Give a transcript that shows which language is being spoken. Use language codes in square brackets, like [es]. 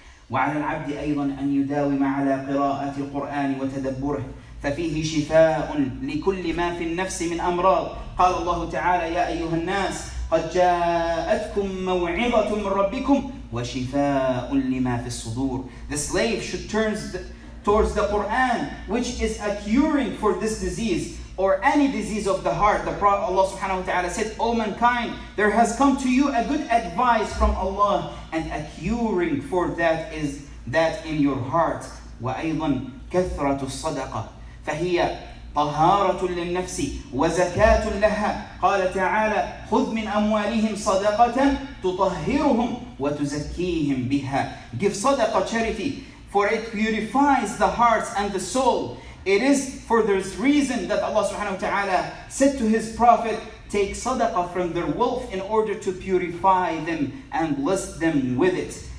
[ar] وعلى العبد أيضا أن يداوم على قراءة القرآن وتدبره، ففيه شفاء لكل ما في النفس من أمراض. قال الله تعالى: يا أيها الناس قد جاءتكم موعظة من ربكم وشفاء لما في الصدور. [en] The slave should turn towards the Quran, which is a curing for this disease or any disease of the heart. The Prophet Allah subhanahu wa ta'ala said, O mankind, there has come to you a good advice from Allah, and a curing for that is that in your heart. [ar] وأيضا كثرة الصدقة فهي طهارة للنفس وزكاة لها. قال تعالى: خذ من أموالهم صدقة تطهرهم وتزكيهم بها. [en] Give صدقة charity, for it purifies the hearts and the soul. It is for this reason that Allah subhanahu wa ta'ala said to His Prophet, take sadaqah from their wealth in order to purify them and bless them with it.